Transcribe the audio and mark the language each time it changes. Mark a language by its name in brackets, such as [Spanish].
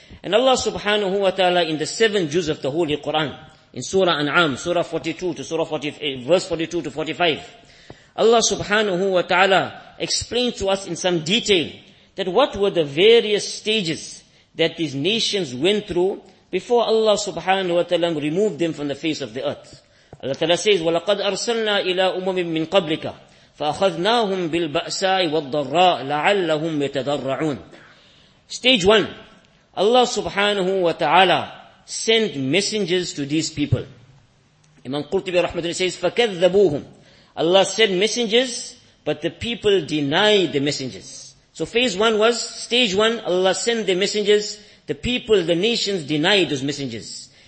[English] And Allah subhanahu wa ta'ala in the 7 juz of the Holy Quran, in Surah An'am, Surah 42 to Surah 45, verse 42 to 45, Allah subhanahu wa ta'ala explained to us in some detail that what were the various stages that these nations went through before Allah subhanahu wa ta'ala removed them from the face of the earth. Allah ta'ala says, [Arabic] وَلَقَدْ أَرْسَلْنَا إِلَىٰ أُمَمٍ مِّن قَبْلِكَ فَأَخَذْنَاهُمْ بِالْبَأْسَاءِ وَالضَّرَّاءِ لَعَلَّهُمْ يَتَضَرَّعُونَ. [English] Stage 1, Allah subhanahu wa ta'ala sent messengers to these people. Imam Qurtubi rahmatullahi says, [Arabic] فَكَذَّبُوهُمْ. [English] Allah sent messengers, but the people denied the messengers. So phase 1 was, stage 1, Allah sent the messengers, the people, the nations denied those messengers.